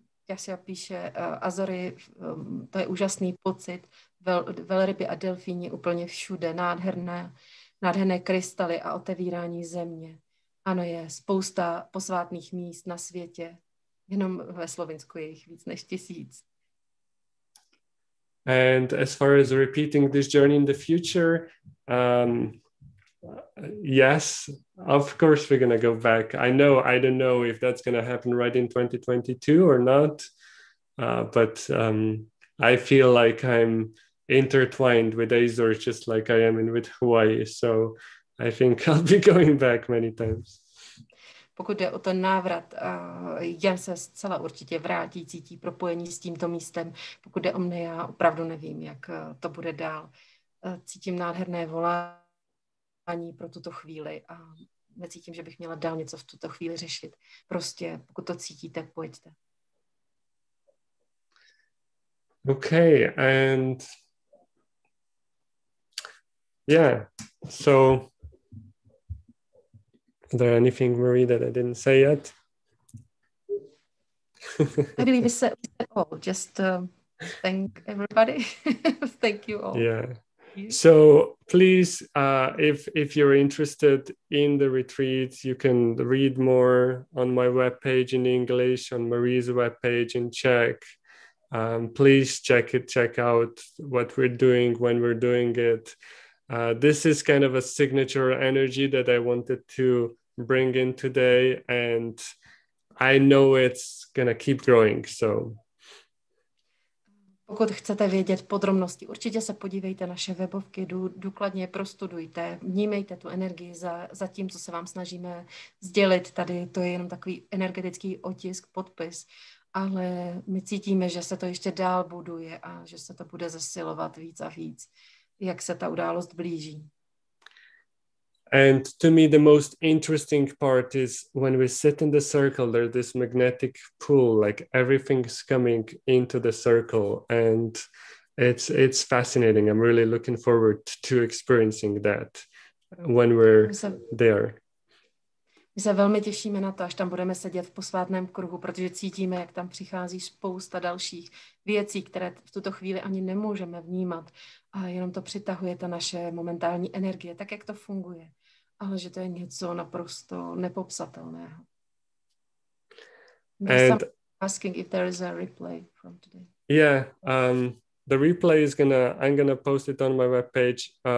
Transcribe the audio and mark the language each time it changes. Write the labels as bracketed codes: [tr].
[cs] Jasia píše, Azory, to je úžasný pocit, velryby a delfíni úplně všude, nádherné krystaly a otevírání země. Ano, je spousta posvátných míst na světě, jenom ve Slovensku je jich víc než 1000. [en] And as far as repeating this journey in the future, yes, of course we're going to go back. I know, I don't know if that's going to happen right in 2022 or not, but I feel like I'm intertwined with Azor just like I am in with Hawaii. So I think I'll be going back many times. [cs] Pokud jde o ten návrat, Jan se zcela určitě vrátí, cítí propojení s tímto místem. Pokud jde o mne, já opravdu nevím, jak to bude dál. Cítím nádherné volání pro tuto chvíli a necítím, že bych měla dál něco v tuto chvíli řešit. Prostě, pokud to cítíte, pojďte. [en] Okay, and yeah, so is there anything, Marie, that I didn't say yet? I believe you said it all. Just thank everybody. Thank you all. Yeah. So please, if you're interested in the retreat, you can read more on my webpage in English, on Marie's webpage in Czech. Please check out what we're doing, when we're doing it. This is kind of a signature energy that I wanted to bring in today, and I know it's gonna keep growing. So, [cs] pokud chcete vědět podrobnosti, určitě se podívejte na naše webovky, důkladně prostudujte, vnímejte tu energii za tím, co se vám snažíme sdělit tady. To je jenom takový energetický otisk, podpis, ale my cítíme, že se to ještě dál buduje a že se to bude zesilovat víc a víc, jak se ta událost blíží. [en] And to me, the most interesting part is when we sit in the circle, there's this magnetic pull, like everything's coming into the circle. And it's fascinating. I'm really looking forward to experiencing that when we're there. [cs] My se velmi těšíme na to, až tam budeme sedět v posvátném kruhu, protože cítíme, jak tam přichází spousta dalších věcí, které v tuto chvíli ani nemůžeme vnímat. A jenom to přitahuje ta naše momentální energie, tak jak to funguje. Ale že to je něco naprosto nepopsatelného. [en] And asking if there is a replay from today. Yeah, the replay is I'm gonna post it on my webpage.